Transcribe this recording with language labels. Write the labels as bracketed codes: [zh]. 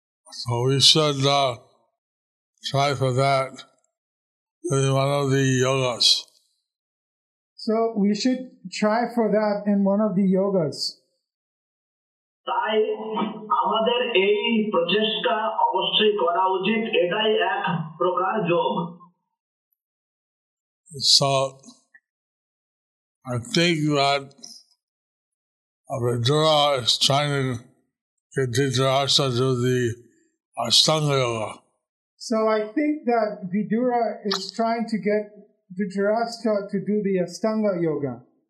[en] So we should try for that in one of the yogas. So we should try for that in one of the yogas. [bn] তাই আমাদের এই প্রচেষ্টা অবশ্যই করা উচিত এটাই এক প্রকার যোগ. [en] So I think that Abhidra is trying to get Dhritarashtra to the Ashtanga Yoga. So I think that Vidura is trying to get Dhritarashtra to do the Ashtanga Yoga.